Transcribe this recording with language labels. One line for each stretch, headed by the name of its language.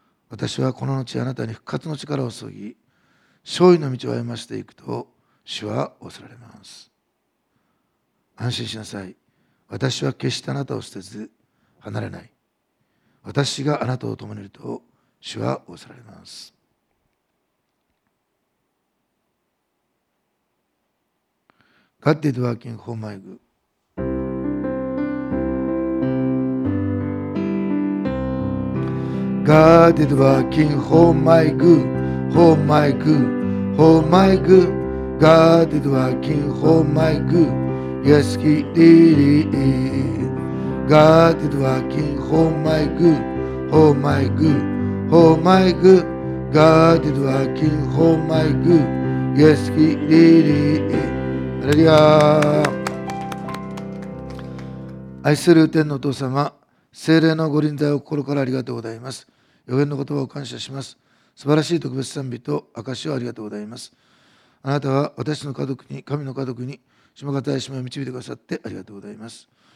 Japanese: 私はこの後あなたに復活の力を注ぎ、勝利の道を歩ませていくと主は仰せられます。安心しなさい。私は決してあなたを捨てず離れない。私があなたを共にいると主は仰せられます。
English: God is working for my good。 God is working for my good, for my good, for my good. God is working for my good, yes He did it. God is working for my good, for my good, for my good. God is working for my good, yes He did it. Hallelujah.
Japanese: 愛する天のお父様、聖霊の御臨在を心からありがとうございます。予言の言葉を感謝します。素晴らしい特別賛美と証をありがとうございます。あなたは私の家族に、神の家族に、島方へ島を導いてくださってありがとうございます。